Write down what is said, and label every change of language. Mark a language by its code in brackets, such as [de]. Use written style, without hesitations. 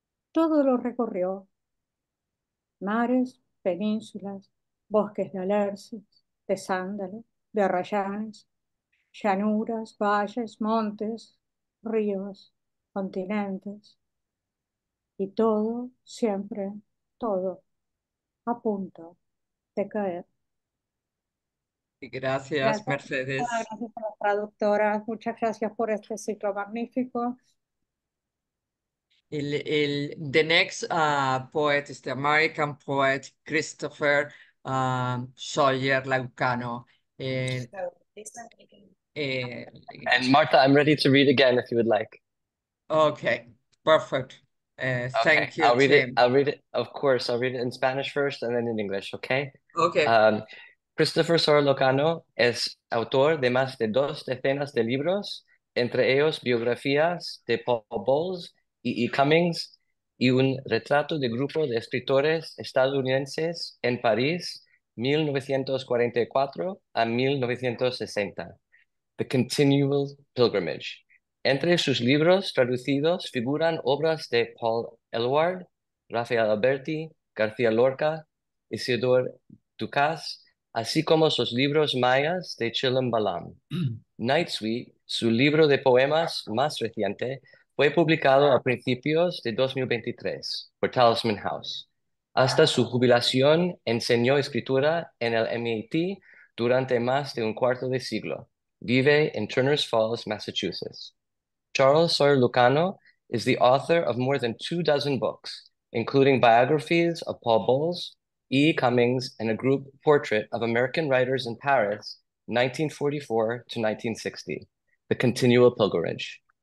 [es] Todo lo recorrió. Mares, penínsulas, bosques de alerces, de sándalo, de arrayanes, llanuras, valles, montes, ríos, continentes. Y todo, siempre, todo, a punto de caer. Gracias, gracias. Mercedes. Gracias a las traductoras, muchas gracias por este ciclo magnífico. [en] The next poet is the American poet Christopher Sawyer Laucano. And Martha, I'm ready to read again if you would like. Okay, perfect. Okay. Thank you. I'll read it in Spanish first and then in English, okay? Okay. [es] Christopher Sawyer Laucano es autor de más de 2 decenas de libros, entre ellos biografías de Paul Bowles, E. Cummings, y un retrato de grupo de escritores estadounidenses en París, 1944 a 1960, The Continual Pilgrimage. Entre sus libros traducidos figuran obras de Paul Eluard, Rafael Alberti, García Lorca, Isidor Ducas, así como sus libros mayas de Chilam Balam. Night Suite, su libro de poemas más reciente, fue publicado a principios de 2023 por Talisman House. Hasta su jubilación, enseñó escritura en el MIT durante más de un cuarto de siglo. Vive en Turner's Falls, Massachusetts. [en] Charles Sawyer Laucano is the author of more than 2 dozen books, including biographies of Paul Bowles, E. Cummings, and a group portrait of American writers in Paris, 1944 to 1960, The Continual Pilgrimage.